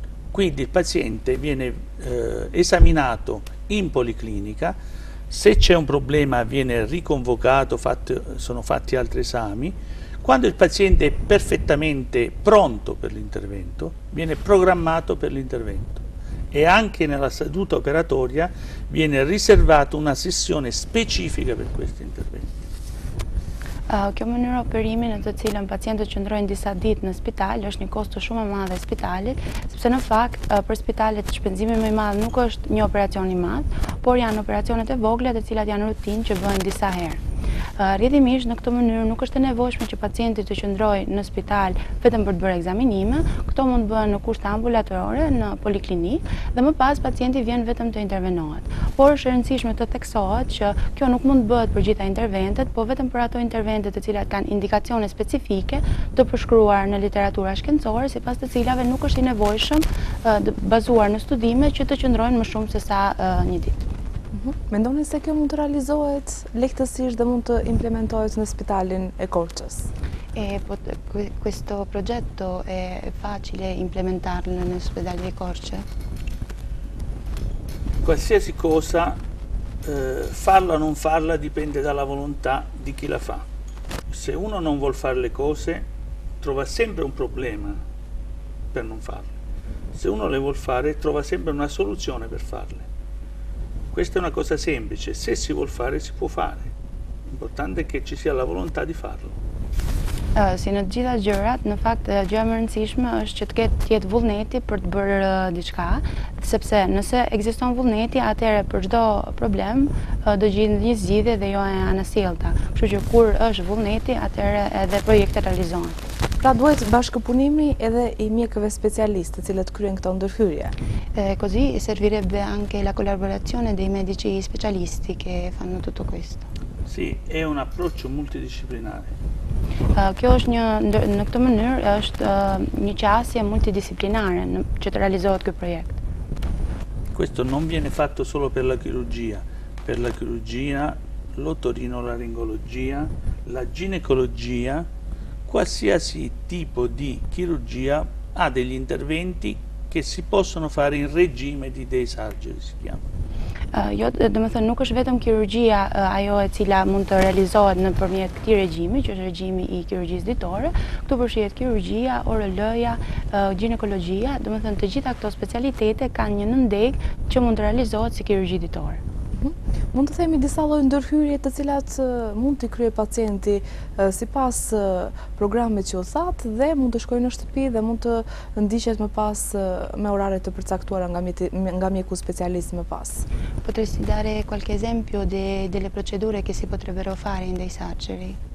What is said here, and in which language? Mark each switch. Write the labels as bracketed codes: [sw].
[it] Quindi il paziente viene esaminato in policlinica, se c'è un problema viene riconvocato, sono fatti altri esami. Quando il paziente è perfettamente pronto per l'intervento, viene programmato per l'intervento e anche nella seduta operatoria viene riservata una sessione specifica per questo intervento. [sq] Kjo mënyrë operimi në të cilën pacientët qëndrojnë disa ditë në spital është një kosto shumë e madhe spitalit, sepse në fakt për spitalet shpenzimi më i madh nuk është një operacion i madh, por janë operacionet e vogla të cilat janë rutinë që bëhen disa herë. Rrjedhimisht në këtë mënyrë nuk është e nevojshme që pacienti të qëndrojë në spital vetëm për të bërë ekzaminime. Këto mund bëhen në kushte ambulatorore, në poliklinikë dhe më pas pacienti vjen vetëm të intervenohet. Por është e rëndësishme të theksohet që kjo nuk mund bëhet për gjitha interventet, por vetëm për ato interventet të cilat kanë indikacione specifike të përshkruar në literatura shkencore, sipas të cilave nuk është i nevojshëm bazuar në studime që të qëndrojnë më shumë se sa një ditë. Mendoni se kjo mund të realizohet lehtësisht dhe mund të implementohet në spitalin e Korçës? [it] Questo progetto è facile implementarlo nell'ospedale di Corce? Qualsiasi cosa, farla o non farla, dipende dalla volontà di chi la fa. Se uno non vuol fare le cose, trova sempre un problema per non farle. Se uno le vuol fare, trova sempre una soluzione per farle. Questa è una cosa semplice, se si vuol fare si può fare, l'importante è che ci sia la volontà di farlo. [sq] Si në të gjitha gjërat, në fakt gjëja më rëndësishme është që të jetë vullneti për të bërë diçka, sepse nëse ekziston vullneti, atëherë për çdo problem do gjendet një zgjidhje dhe jo e anasjellta. Kështu që kur është vullneti, atëherë edhe projektet realizohen. Pra duhet bashkëpunimi edhe i mjekëve specialistë të cilët kryen këto ndërhyrje. [it] Così servirebbe anche la collaborazione dei medici specialisti che fanno tutto questo. Sì, è un approccio multidisciplinare. [sq] Kjo është në këtë mënyrë është një qasje multidisciplinare që të realizohet ky projekt. [it] Questo non viene fatto solo per la chirurgia, per la chirurgia, l'otorinolaringologia, la ginecologia, qualsiasi tipo di chirurgia ha degli interventi che si possono fare in regime di day surgery, si chiama. [sq] Do të thonë nuk është vetëm kirurgia ajo e cila mund të realizohet nëpërmjet këtij regjimi, që është regjimi i kirurgjisë ditore. Këtu përfshihet kirurgia, orologjia, ginekologjia, do të thonë të gjitha këto specialitete kanë një nëndek që mund të realizohet si kirurgji ditore. Mund të themi disa lloj ndërhyrje të cilat mund t'i kryej pacienti sipas programit që u that dhe mund të shkojë në shtëpi dhe mund të ndiqet më pas me orare të përcaktuara nga mjeku specialist më pas. [it] Potresti dare qualche esempio delle procedure che si potrebbero fare in dei surgery?